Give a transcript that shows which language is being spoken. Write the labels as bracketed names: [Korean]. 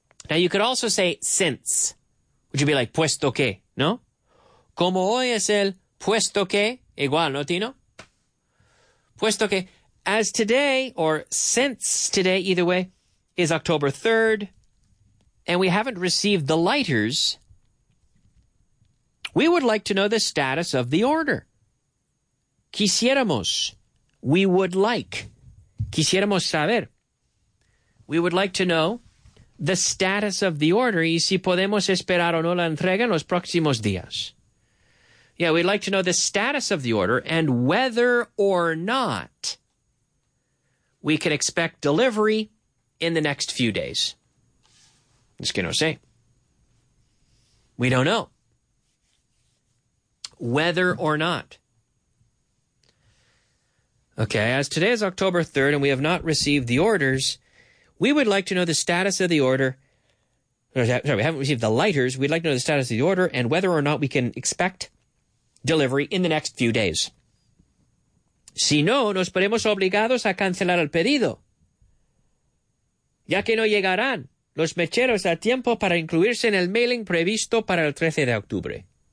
[English] Now you could also say since, which would be like [Spanish] puesto que. ¿No? Como hoy es el puesto que, igual, ¿no, Tino? Puesto que, [English] as today, or since today, either way, is October 3rd, and we haven't received the lighters, we would like to know the status of the order. [Spanish] Quisiéramos. [English] We would like. [Spanish] Quisiéramos saber. [English] We would like to know the status of the order, [Spanish] y si podemos esperar o no la entrega en los próximos días. [English] Yeah, we'd like to know the status of the order and whether or not we can expect delivery in the next few days. [Spanish] Es que no sé. [English] We don't know whether or not. Okay, as today is October 3rd and we have not received the orders, we would like to know the status of the order. Sorry, we haven't received the lighters. We'd like to know the status of the order and whether or not we can expect delivery in the next few days. [Spanish] Si no, nos veremos obligados a cancelar el pedido, ya que no llegarán los mecheros a tiempo para incluirse en el mailing previsto para el 13 de octubre.